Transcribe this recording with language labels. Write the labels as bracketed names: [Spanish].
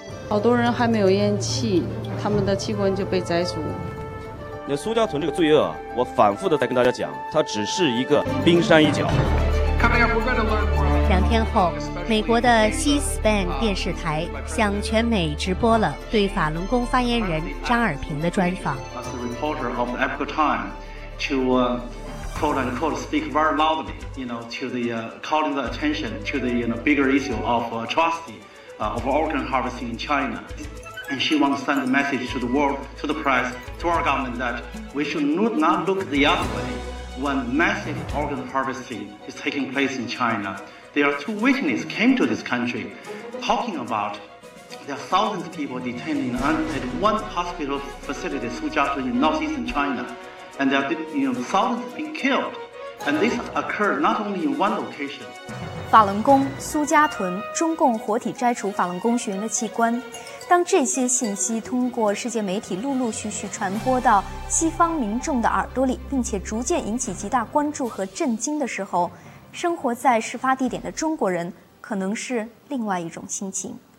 [Chinese] 好多人还没有咽气，他们的器官就被摘除。那苏家屯这个罪恶啊，我反复的在跟大家讲，它只是一个冰山一角。两天后，美国的 C-SPAN 电视台向全美直播了对法轮功发言人张尔平的专访。 [English] As a reporter of the Epoch Times, to quote unquote speak very loudly, you know, to the calling the attention to the bigger issue of atrocity of organ harvesting in China. And she wants to send a message to the world, to the press, to our government that we should not look the other way when massive organ harvesting is taking place in China. There are two witnesses came to this country talking about there are thousands of people detained at one hospital facility, Su Jiatun, in northeastern China. And there are thousands being killed. And this occurred not only in one location. [Chinese] 法轮功、苏家屯、中共活体摘除法轮功学员的器官，当这些信息通过世界媒体陆陆续续传播到西方民众的耳朵里，并且逐渐引起极大关注和震惊的时候，生活在事发地点的中国人可能是另外一种心情。